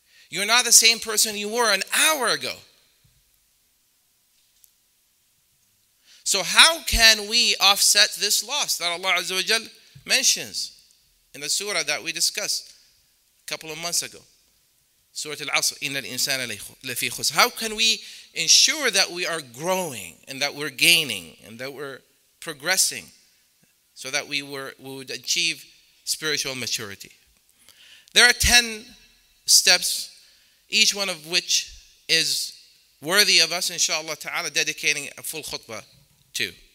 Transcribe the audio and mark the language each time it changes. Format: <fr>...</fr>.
<en>You're not the same person you were an hour ago. So how can we offset this loss that Allah Azza wa Jal mentions in the surah that we discussed a couple of months ago?</en> <ar>Surah Al-Asr, إِنَّ الْإِنسَانَ لَفِي خُسْرٍ.</ar> <en>How can we ensure that we are growing and that we're gaining and that we're progressing so that we would achieve spiritual maturity? There are 10 steps, each one of which is worthy of us, inshallah ta'ala, dedicating a full khutbah to.</en>